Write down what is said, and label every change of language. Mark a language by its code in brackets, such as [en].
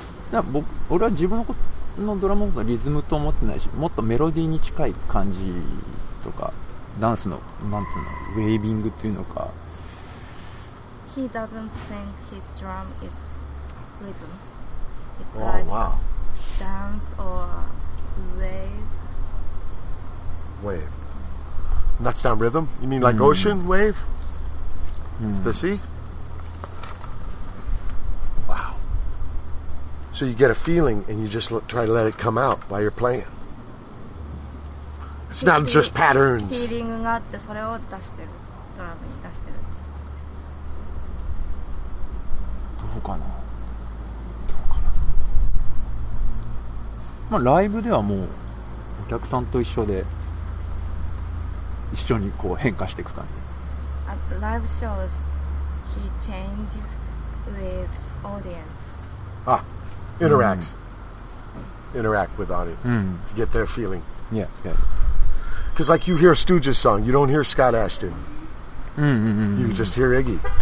[ja] だから僕、俺は自分のドラムのリズムと思ってないし、もっとメロディーに近い感じとかダンスのなんていうのウェービングっていうのか。 [en] He doesn't think his drum is rhythm. It's oh, like wow. dance or wave. Wave. That's not rhythm. You mean like ocean wave? The sea. Wow. So you get a feeling and you just try to let it come out while you're playing. It's not just patterns. [ja] Feeling があってそれを出してる、ドラムに出してる。どうかな。どうかな。まあライブではもうお客さんと一緒で一緒にこう変化していく感じ。 [en] At live shows, he changes with audience. Ah, interacts. Interact with audience to get their feeling. Yeah, yeah. Because like you hear a Stooges song, you don't hear Scott Ashton. You just hear Iggy.